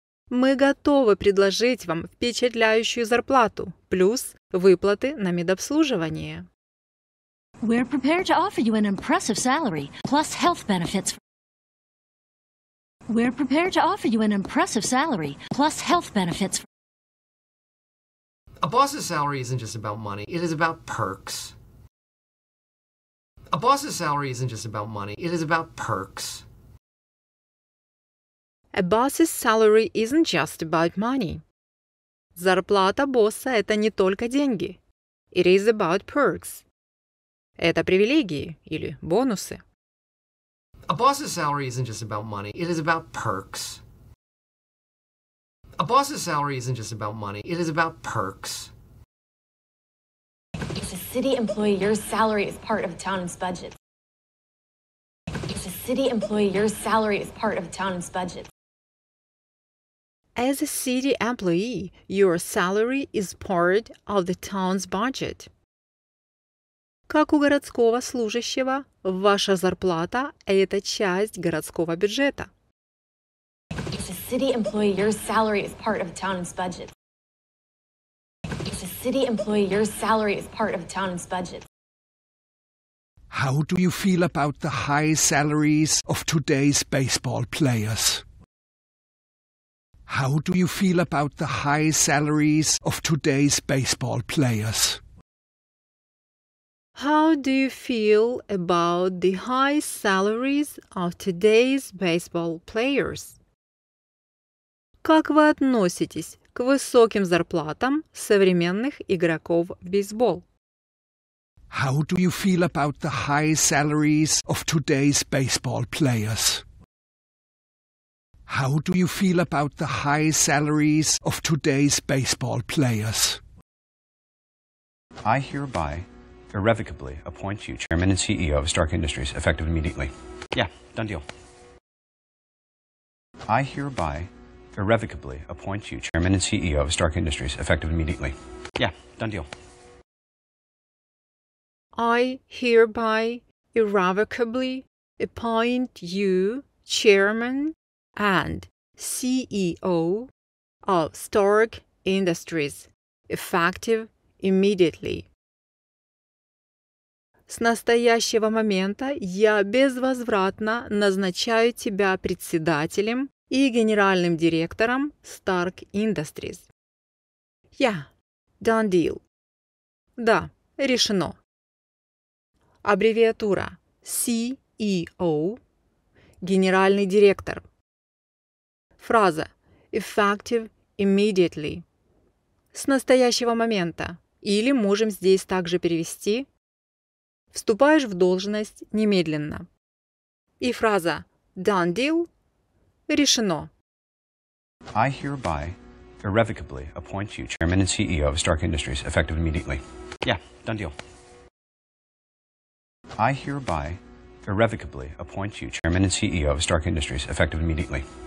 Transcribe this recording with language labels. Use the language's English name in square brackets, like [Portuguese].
[Russian] Мы готовы предложить вам впечатляющую зарплату, плюс выплаты на медобслуживание. [English] We're prepared to offer you an impressive salary, plus health benefits. We're prepared to offer you an impressive salary, plus health benefits. A boss's salary isn't just about money, it is about perks. A boss's salary isn't just about money, it is about perks. A boss's salary isn't just about money. [Russian] Зарплата босса – это не только деньги. [English] It is about perks. [Russian] Это привилегии или бонусы. [English] A boss's salary isn't just about money, it is about perks. A boss's salary isn't just about money, it is about perks. As a city employee, your salary is part of the town's budget. As a city employee, your salary is part of the town's budget. As a city employee, your salary is part of the town's budget. [Russian] Как у городского служащего, ваша зарплата – это часть городского бюджета. [English] As a city employee, your salary is part of the town's budget. As a city employee, your salary is part of the town's budget. How do you feel about the high salaries of today's baseball players? How do you feel about the high salaries of today's baseball players? How do you feel about the high salaries of today's baseball players? [Russian] Как вы относитесь к высоким зарплатам современных игроков в бейсбол? [English] How do you feel about the high salaries of today's baseball players? How do you feel about the high salaries of today's baseball players? I hereby irrevocably appoint you chairman and CEO of Stark Industries, effective immediately. Yeah, done deal. I hereby irrevocably appoint you chairman and CEO of Stark Industries, effective immediately. Yeah, done deal. I hereby irrevocably appoint you chairman and CEO of Stark Industries, effective immediately. [Russian] С настоящего момента я безвозвратно назначаю тебя председателем и генеральным директором Stark Industries. [English] Yeah, done deal. [Russian] Да, решено. Аббревиатура CEO, генеральный директор. Фраза [English] effective immediately. [Russian] С настоящего момента. Или можем здесь также перевести. Вступаешь в должность немедленно. И фраза [English] done deal. [Russian] Решено. [English] I hereby irrevocably appoint you chairman and CEO of Stark Industries, effective immediately. Yeah, done deal. I hereby irrevocably appoint you chairman and CEO of Stark Industries, effective immediately.